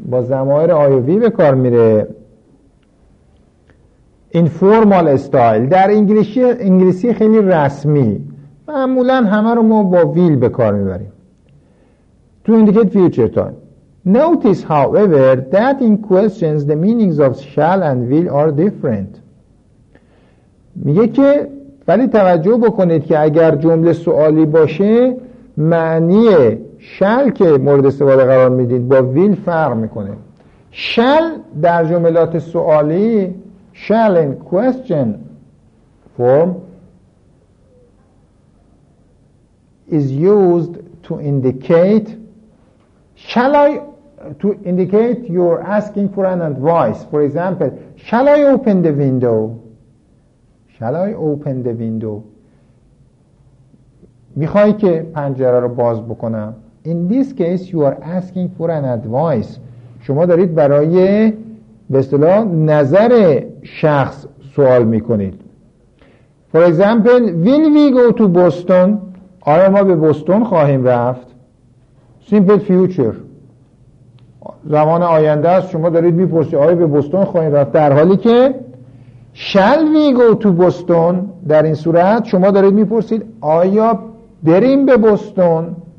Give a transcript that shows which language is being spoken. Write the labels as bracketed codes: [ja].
[fa] با ضمایر I و we به کار میره. [en] Informal style [fa] در انگلیسی خیلی رسمی. معمولا همه رو ما با will به کار میبریم. [en] To indicate future time. Notice, however, that in questions the meanings of shall and will are different. [fa] میگه که ولی توجه بکنید که اگر جمله سوالی باشه معنی shall که مورد استفاده قرار میدید با will فرق میکنه. [en] Shall [fa] در جملات سوالی [en] shall in question form is used to indicate shall I to indicate your asking for an advice. For example, shall I open the window? Shall I open the window? [fa] میخوای که پنجره رو باز بکنم. [en] In this case you are asking for an advice. [fa] شما دارید برای به اصطلاح نظر شخص سوال میکنید. [en] For example, will we go to Boston? [fa] آیا ما به بوستون خواهیم رفت؟ [en] Simple future. [fa] زمان آینده است، شما دارید میپرسید آیا به بوستون خواهیم رفت، در حالی که [en] shall we go to Boston [fa] در این صورت شما دارید میپرسید آیا بریم به بوستون.